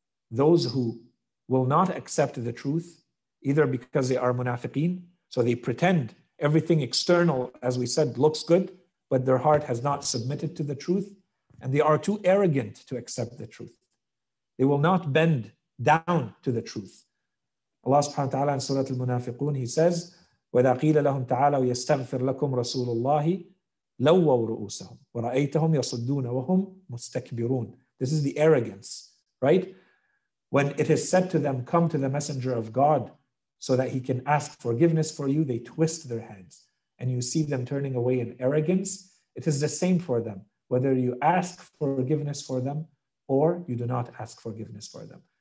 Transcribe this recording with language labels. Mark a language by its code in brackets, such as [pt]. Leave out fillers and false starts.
[en] Those who will not accept the truth, either because they are munafiqeen, so they pretend everything external, as we said, looks good, but their heart has not submitted to the truth, and they are too arrogant to accept the truth. They will not bend down to the truth. Allah subhanahu wa ta'ala in Surah Al-Munafiqun, he says, [ar] وَإِذَا قِيلَ لَهُمْ تَعَالَوْا يَسْتَغْفِرْ لَكُمْ رَسُولُ اللَّهِ لَوَّوْا رُؤُوسَهُمْ وَرَأَيْتَهُمْ يَصُدُّونَ وَهُمْ مُسْتَكْبِرُونَ. [en] This is the arrogance, right? When it is said to them, come to the messenger of God so that he can ask forgiveness for you, they twist their heads. And you see them turning away in arrogance. It is the same for them, whether you ask forgiveness for them or you do not ask forgiveness for them.